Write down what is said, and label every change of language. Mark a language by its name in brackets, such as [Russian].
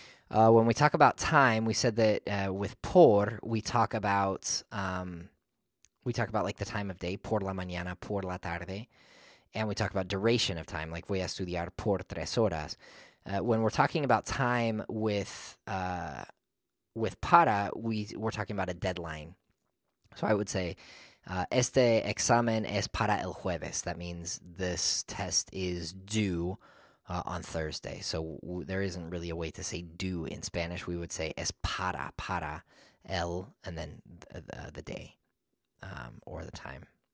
[English] When we talk about time, we said that with por, we talk about like the time of day, [Spanish] por la mañana, por la tarde, [English] and we talk about duration of time, like [Spanish] voy a estudiar por tres horas. [English] When we're talking about time with para, we're talking about a deadline. So I would say, [Spanish] Este examen es para el jueves. [English] That means this test is due on Thursday. So there isn't really a way to say due in Spanish. We would say [Spanish] es para el, [English] and then the day or the time.